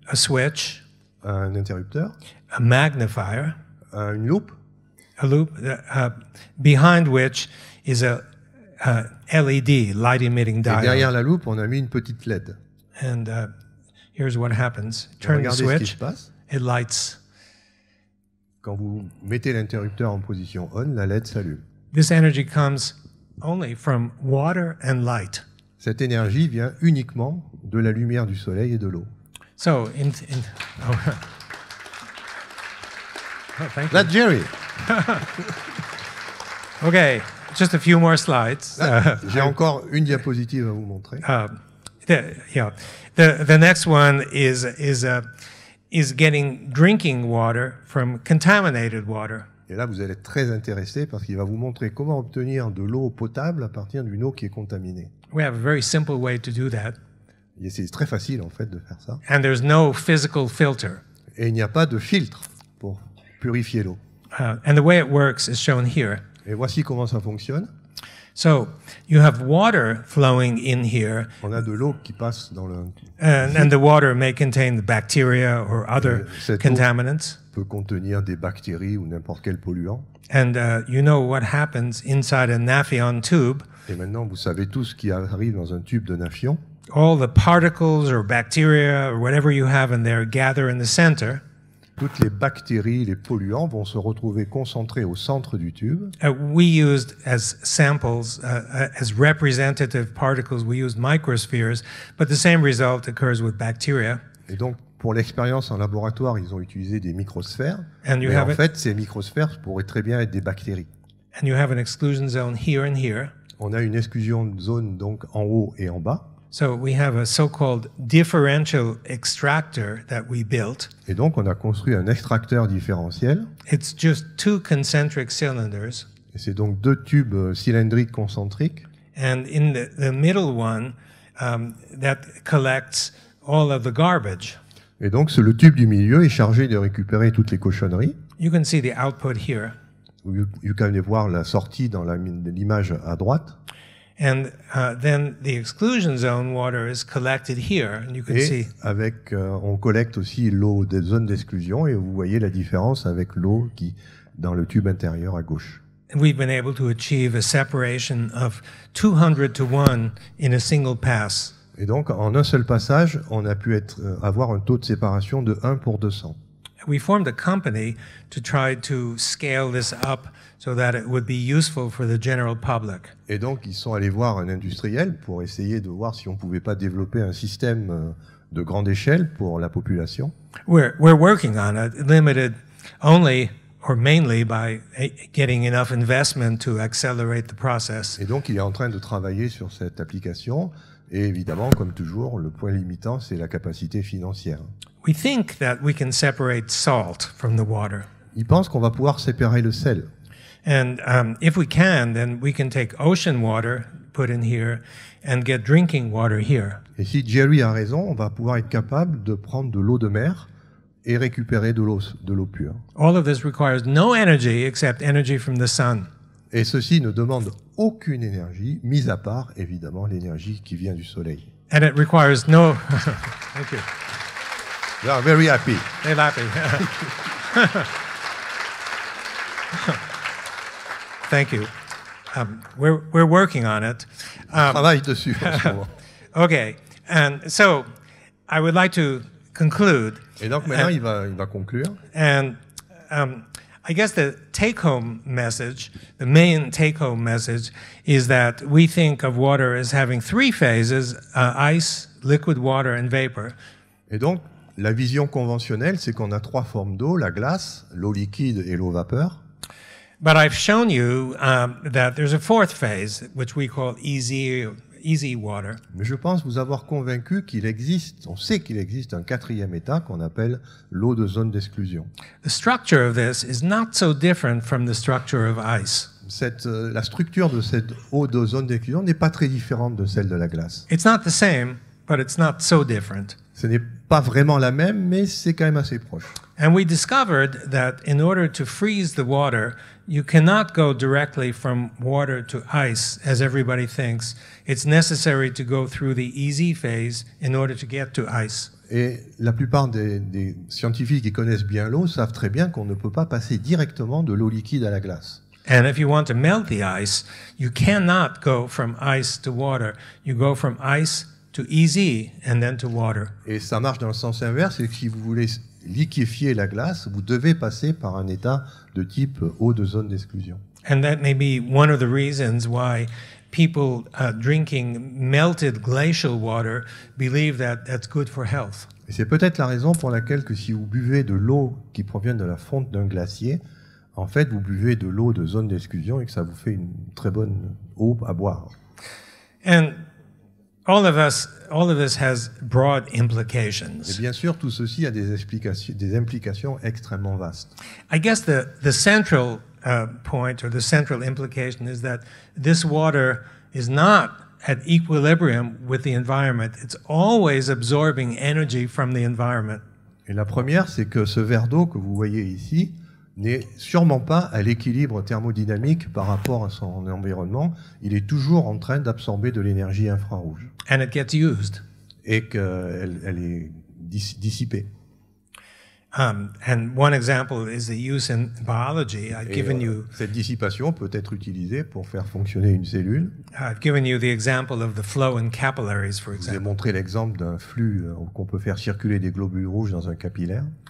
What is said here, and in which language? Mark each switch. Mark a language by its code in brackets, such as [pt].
[en] A switch. [fr] Un interrupteur. [en] A magnifier. [fr] Une loupe. [en] A loop behind which is a LED, light emitting diode. [fr] Et derrière la loupe, on a mis une petite LED. [en] And here's what happens. Turn the switch. [fr] Regardez ce qui se passe. [en] It lights. [fr] Quand vous mettez l'interrupteur en position on, la LED s'allume. [en] This energy comes only from water and light. [fr] Cette énergie vient uniquement de la lumière du soleil et de l'eau. [en] So in thank you. That's Jerry. Okay, just a few more slides. [fr] J'ai encore une diapositive à vous montrer. [en] The next one is getting drinking water from contaminated water. [fr] Et là, vous allez être très intéressé parce qu'il va vous montrer comment obtenir de l'eau potable à partir d'une eau qui est contaminée. [en] We have a very simple way to do that. [fr] Et c'est très facile, en fait, de faire ça. [en] And there's no physical filter. [fr] Et il n'y a pas de filtre pour purifier l'eau. [en] And the way it works is shown here. [fr] Et voici comment ça fonctionne. [en] So, you have water flowing in here. [fr] On a de l'eau qui passe dans le... [en] And the water may contain the bacteria or other contaminants. [fr] Peut contenir des bactéries ou n'importe quel polluant. [en] And you know what happens inside a Nafion tube. [fr] Et maintenant, vous savez tout ce qui arrive dans un tube de Nafion. [en] All the particles or bacteria or whatever you have in there gather in the center. [fr] Toutes les bactéries, les polluants vont se retrouver concentrés au centre du tube. [en] We used as samples, as representative particles, we used microspheres, but the same result occurs with bacteria. [fr] Et donc, pour l'expérience en laboratoire, ils ont utilisé des microsphères. [en] And you have [fr] en fait, ces microsphères pourraient très bien être des bactéries. [en] And you have an exclusion zone here and here. [fr] On a une exclusion zone donc en haut et en bas. [en] So we have a so-called differential extractor that we built. [fr] Et donc on a construit un extracteur différentiel. [en] It's just two concentric cylinders. [fr] Et c'est donc deux tubes cylindriques concentriques. [en] And in the middle one, that collects all of the garbage. [fr] Et donc c'est le tube du milieu est chargé de récupérer toutes les cochonneries. [en] You can see the output here. [fr] Vous pouvez voir la sortie dans l'image à droite. [en] And then the exclusion zone water is collected here, and you can [fr] et [en] see. [fr] Et avec, on collecte aussi l'eau des zones d'exclusion, et vous voyez la différence avec l'eau qui dans le tube intérieur à gauche. [en] And we've been able to achieve a separation of 200 to 1 in a single pass. [fr] Et donc, en un seul passage, on a pu être avoir un taux de séparation de 1 pour 200. [en] We formed a company to try to scale this up so that it would be useful for the general public. [fr] Et donc ils sont allés voir un industriel pour essayer de voir si on pouvait pas développer un système de grande échelle pour la population. [en] We're working on it, limited only or mainly by getting enough investment to accelerate the process. [fr] Et donc il est en train de travailler sur cette application et évidemment comme toujours le point limitant c'est la capacité financière. [en] We think that we can separate salt from the water. [fr] Ils pensent qu'on va pouvoir séparer le sel. [en] And if we can, then we can take ocean water, put in here, and get drinking water here. [fr] Et si Jerry a raison, on va pouvoir être capable de prendre de l'eau de mer et récupérer de l'eau pure. [en] All of this requires no energy except energy from the sun. [fr] Et ceci ne demande aucune énergie, mis à part évidemment l'énergie qui vient du soleil. [en] And it requires no. Thank you. They are very happy. They're happy. Thank you. We're working on it. [fr] Travaille dessus en ce moment. [en] Okay. And so I would like to conclude. [fr] Et donc maintenant il va conclure. [en] And I guess the take-home message, the main take-home message, is that we think of water as having three phases: ice, liquid water, and vapor. [fr] Et donc la vision conventionnelle, c'est qu'on a trois formes d'eau, la glace, l'eau liquide et l'eau vapeur. [en] But I've shown you that there's a fourth phase, which we call easy water. [fr] Mais je pense vous avoir convaincu qu'il existe, on sait qu'il existe un quatrième état qu'on appelle l'eau de zone d'exclusion. [en] The structure of this is not so different from the structure of ice. [fr] La structure de cette eau de zone d'exclusion n'est pas très différente de celle de la glace. [en] It's not the same, but it's not so different. [fr] Ce n'est pas vraiment la même, mais c'est quand même assez proche. [en] And we discovered that in order to freeze the water, you cannot go directly from water to ice, as everybody thinks. It's necessary to go through the easy phase in order to get to ice. [fr] Et la plupart des scientifiques qui connaissent bien l'eau savent très bien qu'on ne peut pas passer directement de l'eau liquide à la glace. [en] And if you want to melt the ice, you cannot go from ice to water. You go from ice to easy and then to water. [fr] Et ça marche dans le sens inverse, c'est que si vous voulez liquéfier la glace, vous devez passer par un état de type eau de zone d'exclusion. [en] And that may be one of the reasons why people drinking melted glacial water believe that that's good for health. [fr] Et c'est peut-être la raison pour laquelle que si vous buvez de l'eau qui provient de la fonte d'un glacier, en fait, vous buvez de l'eau de zone d'exclusion et que ça vous fait une très bonne eau à boire. [en] And all of us has broad implications. [fr] Et bien sûr, tout ceci a des implications extrêmement vastes. [en] I guess the central point or the central implication is that this water is not at equilibrium with the environment. It's always absorbing energy from the environment. [fr] Et la première, c'est que ce verre d'eau que vous voyez ici n'est sûrement pas à l'équilibre thermodynamique par rapport à son environnement. Il est toujours en train d'absorber de l'énergie infrarouge. [en] And it gets used. [fr] Et qu'elle est dissipée. [en] And one example is the use in biology. [fr] Cette dissipation peut être utilisée pour faire fonctionner une cellule. [en] I've given you the example of the flow in capillaries, for example. [fr] Je vous ai montré l'exemple d'un flux qu'on peut faire circuler des globules rouges dans un capillaire.